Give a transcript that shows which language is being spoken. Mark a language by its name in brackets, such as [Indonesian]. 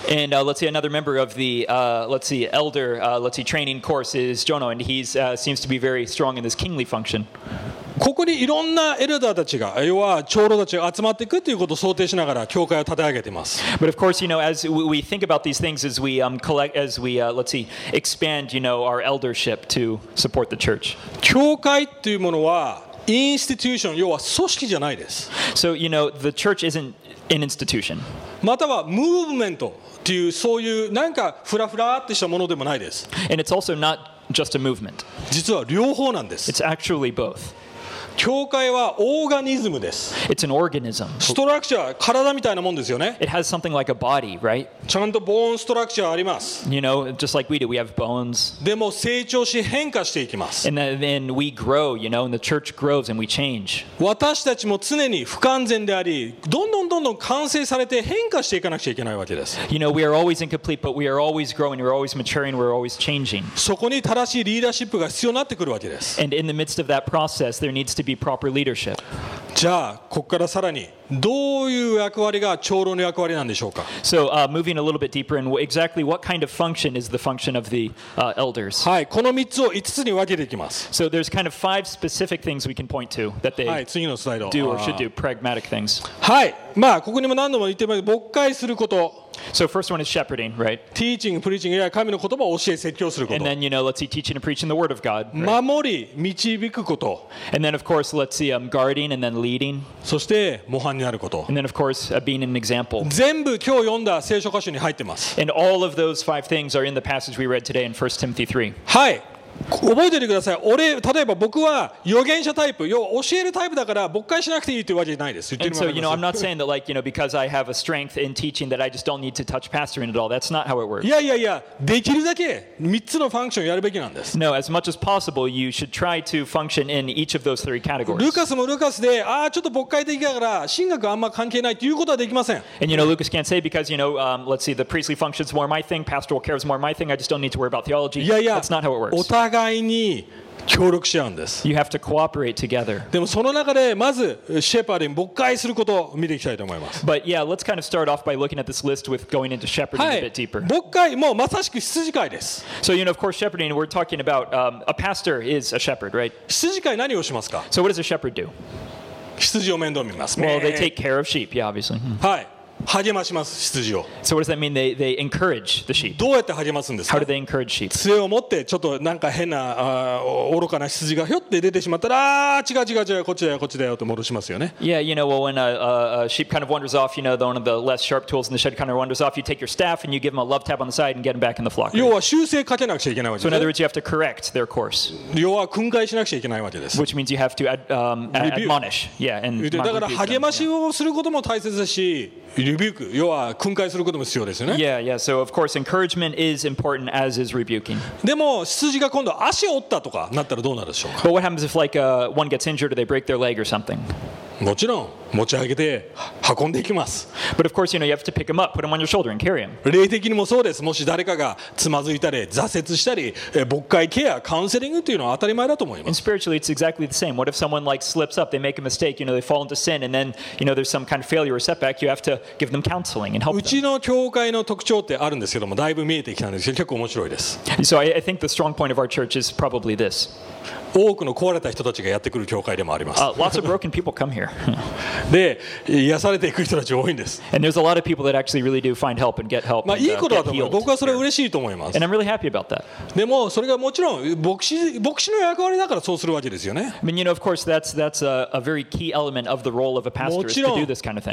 [English] And let's see another member of the elder training course is Jono, and he's seems to be very strong in this kingly function. [Japanese] ここにいろんなエルダーたちが、要は長老たちが集まっていくということを想定しながら教会を立て上げています。 [English] But of course, you know, as we think about these things, as we collect, as we expand, you know, our eldership to support the church. [Japanese] 教会っていうものはinstitution 要は組織じゃないです。 [English] So you know the church isn't an institution. [Japanese] またはムーブメントというそういうなんかフラフラってしたものでもないです。 [English] And it's also not just a movement. [Japanese] 実は両方なんです。 [English] It's actually both. [Japanese] 教会はオーガニズムです。 [English] It's an organism. [Japanese] ストラクチャー、体みたいなもんですよね。 [English] It has something like a body, right? [Japanese] ちゃんとボーンストラクチャーあります。 [English] You know, just like we do, we have bones. [Japanese] でも成長し変化していきます。 [English] And then we grow, you know, and the church grows and we change. [Japanese] 私たちも常に不完全であり、どんどんどんどん完成されて変化していかなくちゃいけないわけです。 [English] You know, we are always incomplete, but we are always growing, we're always maturing, we're always changing. [Japanese] そこに正しいリーダーシップが必要になってくるわけです。 [English] And in the midst of that process, there needs to be proper leadership. [Japanese] じゃあここからさらにどういう役割が長老の役割なんでしょうか。 [English] So, moving a little bit deeper in exactly what kind of function is the function of the elders? [Japanese] はい、この3つを5つに分けていきます。 [English] So there's kind of five specific things we can point to that they do or should do, pragmatic things. [Japanese] はい、まあここにも何度も言ってます。牧会すること。 [English] So first one is shepherding, right? Teaching, preaching, [Japanese] 神の言葉を教え説教すること。 [English] And then you know, let's see, teaching and preaching the word of God. [Japanese] 守り、導くこと。 [English] And then of course, let's see, guarding and then leading. [Japanese] そして模範になること。 [English] And then of course, being an example. [Japanese] 全部今日読んだ聖書箇所に入ってます。 [English] And all of those five things are in the passage we read today in 1 Timothy 3. [Japanese] はい。覚えててください。俺、例えば僕は預言者タイプ、要は教えるタイプだから牧会しなくていいというわけじゃないです。 [English] And so, you know, I'm not saying that like, you know, because I have a strength in teaching that I just don't need to touch pastoring at all. That's not how it works. [Japanese] いやいやいや、できるだけ3つのファンクションやるべきなんです。 [English] No, as much as possible, you should try to function in each of those three categories. [Japanese] ルカスもルカスで、ああ、ちょっと牧会的だから神学あんま関係ないということはできません。 [English] And you know, Lucas can't say because, you know, let's see, the priestly function is more my thing, pastoral care is more my thing, I just don't need to worry about theology. [Japanese] いやいや、 [English] That's not how it works. [Japanese] 互いに協力し合うんです。 [English] You have to cooperate together. [Japanese] でもその中でまずシェパーディング、牧会することを見ていきたいと思います。 [English] But yeah, let's kind of start off by looking at this list with going into shepherding a bit deeper. [Japanese] 牧会もまさしく羊飼いです。 [English] So you know, of course, shepherding. We're talking about a pastor is a shepherd, right? [Japanese] 羊飼い何をしますか [English] ？So what does a shepherd do? [Japanese] 羊を面倒見ます。 [English] Well, they take care of sheep. Yeah, obviously. [Japanese] はい。励まします羊を。 [English] So what does that mean? They encourage the sheep. [Japanese] どうやって励ますんですか [English] ？How do they encourage sheep? [Japanese] 杖を持ってちょっとなんか変な愚かな羊がひょって出てしまったら、違う違う違うこっちだよこっちだよと戻しますよね。 [English] Yeah, you know, well, when a sheep kind of wanders off, you know, the one of the less sharp tools in the shed kind of wanders off, you take your staff and you give them a love tap on the side and get them back in the flock. [Japanese] 要は修正かけなくちゃいけないわけです。 [English] So in other words, you have to correct their course. [Japanese] 要は訓戒しなくちゃいけないわけです。 [English] Which means you have to admonish. Yeah, and rebuke. [Japanese] だから励ましをすることも大切だし。 Rebuke, 要は訓戒することも必要ですよね。 [English] Yeah, yeah. So of course, encouragement is important, as is rebuking. [Japanese] でも羊が今度足を折ったとかなったらどうなるでしょうか。 [English] But what happens if like one gets injured or they break their leg or something? [Japanese] もちろん持ち上げて運んでいきます。 [English] But of course, you know, you have to pick him up, put him on your shoulder and carry him. [Japanese] 霊的にもそうです。もし誰かがつまずいたり挫折したり、牧会ケア、カウンセリングというのは当たり前だと思います。 [English] And spiritually, it's exactly the same. What if someone like slips up, they make a mistake, you know, they fall into sin, and then, you know, there's some kind of failure or setback, you have to give them counseling and help them. [Japanese] うちの教会の特徴ってあるんですけども、だいぶ見えてきたんですけど、結構面白いです。 [English] So I think the strong point of our church is probably this. [Japanese] 多くの壊れた人たちがやってくる教会でもあります。 [English] lots of broken people come here. [Japanese] で、癒されていく人たち多いんです。 [English] And there's a lot of people that actually really do find help and get help. [Japanese] まあ、いいことだと思う。僕はそれ嬉しいと思います。 [English] And I'm really happy about that. [Japanese] でも、それがもちろん牧師の役割だからそうするわけですよね。 [English] I mean, you know, of course, that's a very key element of the role of a pastor is to do this kind of thing.